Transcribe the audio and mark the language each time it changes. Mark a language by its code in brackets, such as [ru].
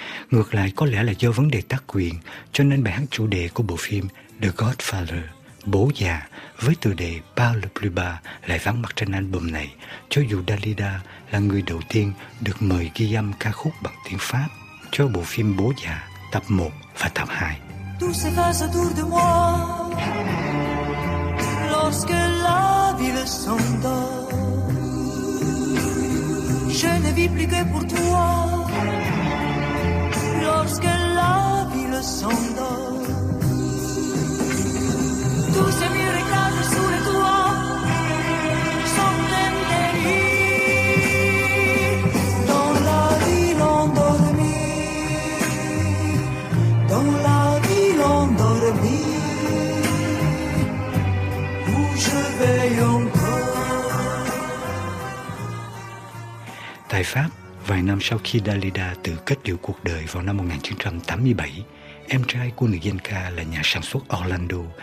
[vi] Ngược lại, có lẽ là do vấn đề tác quyền cho nên bài hát chủ đề của bộ phim The Godfather, Bố già, với tựa đề Par le plus bas lại vắng mặt trên album này, cho dù Dalida là người đầu tiên được mời ghi âm ca khúc bằng tiếng Pháp cho bộ phim Bố già tập 1 và tập 2. [fr] Tout s'efface autour de moi lorsque la ville s'endort. Je ne vis plus que pour toi lorsque la ville s'endort. Tous ces murs éclatent sous les toits, sont embellis. Dans la ville endormie, dans la ville endormie, où je veille encore. [vi] Tại Pháp, vài năm sau khi Dalida tự kết liễu cuộc đời vào năm 1987, em trai của nữ danh ca là nhà sản xuất Orlando